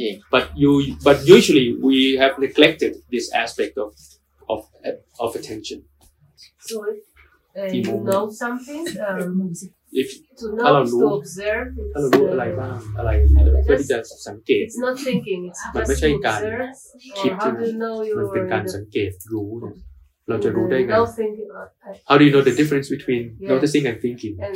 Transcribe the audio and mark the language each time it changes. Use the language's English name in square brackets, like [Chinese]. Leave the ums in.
[English] But you but usually we have neglected this aspect of of of attention. So if you know something, um, [Thai] ถ้าเรารู้ถ้าเรารู้อะไ รบ้างอะไรเพื่อที่จะสังเกตมั นไม่ใช่การคิดใชมันเป็นการสัง เกตรู้เราจะรู้ได้ไง [English] How do you know the difference between noticing and thinking